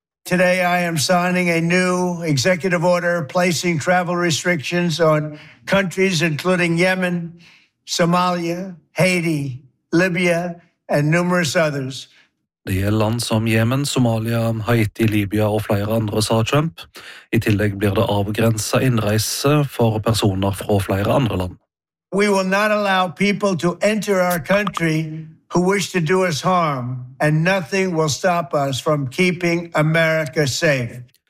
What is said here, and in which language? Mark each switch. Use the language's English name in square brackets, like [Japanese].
[English] Today I am signing a new executive order placing travel restrictions on countries including Yemen, Somalia, Haiti, Libya and numerous others. [Norwegian] Det gjelder land som Jemen, Somalia, Haiti, Libya og flere andre, sa Trump. I tillegg blir det avgrenset innreise for personer fra flere andre land. [English] We will not allow people to enter our country who wish to do us harm, and nothing will stop us from keeping America safe.